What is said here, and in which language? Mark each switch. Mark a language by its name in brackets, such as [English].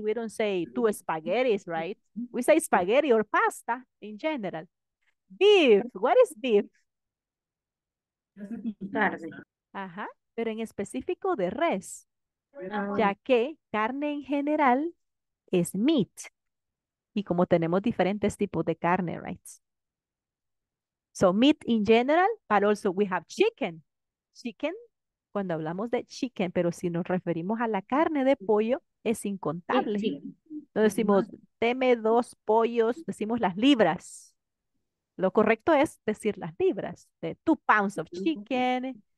[English] We don't say two spaghettis, right? We say spaghetti or pasta in general. Beef. What is beef? [Spanish] Carne. Ajá, pero en específico de res, ya que carne en general es meat. Y como tenemos diferentes tipos de carne, right? [English] So meat in general, but also we have chicken. [Spanish] Chicken, cuando hablamos de chicken, pero si nos referimos a la carne de pollo, es incontable. No decimos teme dos pollos, decimos las libras. Lo correcto es decir las libras, de [English] 2 pounds of chicken.